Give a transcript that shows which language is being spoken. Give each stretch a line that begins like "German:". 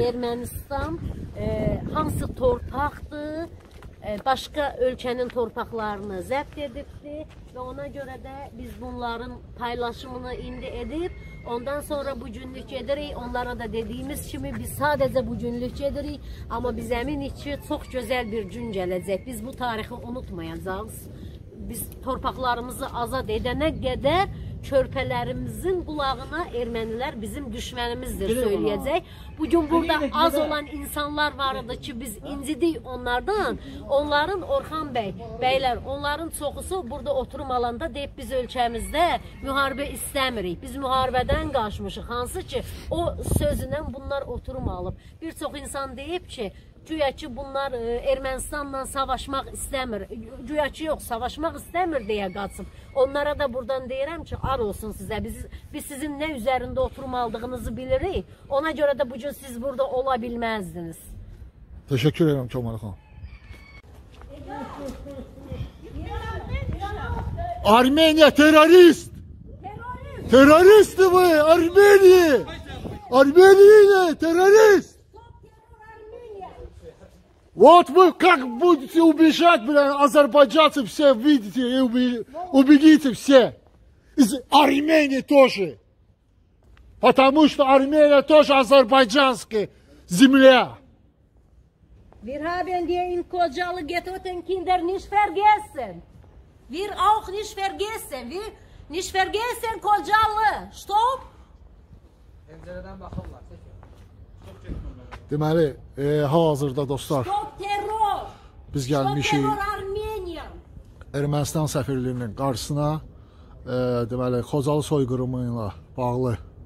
Azerbaijani: Ermənistan hansı torpaqdır, başqa ölkənin torpaqlarını zəbt edibdir və ona görə də biz bunların paylaşımını indi edib, ondan sonra bugünlük gedirik, onlara da dediyimiz kimi biz sadəcə bugünlük gedirik, amma biz əminik ki, çox gözəl bir gün gələcək, biz bu tarixi unutmayacağız. Biz torpaqlarımızı azad edənə qədər körpələrimizin qulağına ermənilər bizim düşmənimizdir söyləyəcək. Bugün burada az olan insanlar var idi ki, biz incidik onlardan. Onların, Orxan bəy, bəylər, onların çoxusu burada oturum alanda deyib biz ölkəmizdə müharibə istəmirik. Biz müharibədən qaçmışıq. Hansı ki, o sözünə bunlar oturum alıb. Bir çox insan deyib ki, güya ki, bunlar Ermənistanla savaşmaq istəmir. Güya ki, yox, savaşmaq istəmir deyə qaçıb. Onlara da buradan deyirəm ki, ar olsun sizə. Biz sizin nə üzərində oturum aldığınızı bilirik. Ona görə də bugün siz burada ola bilməzdiniz. Təşəkkür edirəm, Kəmal xan. Armeniya terrorist! Teröristdir bu, Armeniya! Armeniya ilə terrorist!
Russian: Вот вы как будете убежать, блин, азербайджанцы все видите и убегите все. Из Армении тоже. Потому что Армения тоже азербайджанская земля.
German: Wir haben dir in Kocalı getoten Kinder nicht vergessen. Wir auch nicht vergessen. Wir nicht vergessen Kocalı.
English: Stop.
Turkish: Pencereden bakınlar.
Azerbaijani: Deməli, hal-hazırda dostlar,
English: stop terror!
Azerbaijani: Biz gəlmişik Ermənistan səfirliyinin qarşısına, deməli, Xocalı soyqırımı ilə bağlı.